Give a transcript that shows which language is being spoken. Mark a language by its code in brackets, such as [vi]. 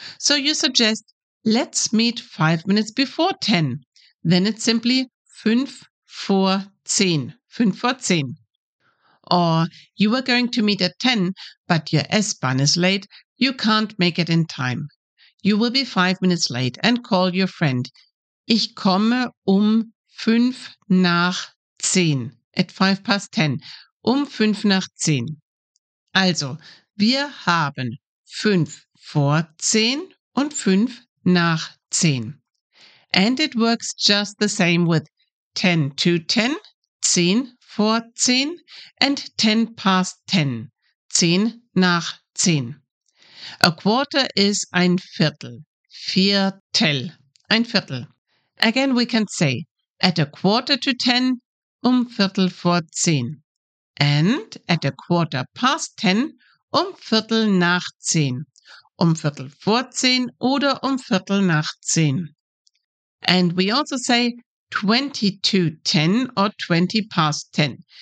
[en] So you suggest, let's meet 5 minutes before 10. Then it's simply [de] 5 vor 10, 5 vor 10. [en] Or you were going to meet at 10, but your S-Bahn is late. You can't make it in time. You will be 5 minutes late and call your friend. [de] Ich komme 5 nach 10, [en] at 5 past 10, [de] 5 nach 10. Also, wir haben 5 vor 10 und 5 nach 10. [en] And it works just the same with 10 to 10, [de] 10 vor 10, [en] and 10 past 10, [de] 10 nach 10. [en] A quarter is [de] ein Viertel, Viertel, ein Viertel. [en] Again, we can say, at a quarter to 10, [de] 10 vor 10. [en] And at a quarter past 10, [de] 10 nach 10. 10 vor 10 oder 10 nach 10. [en] And we also say 20 to 10 or 20 past 10.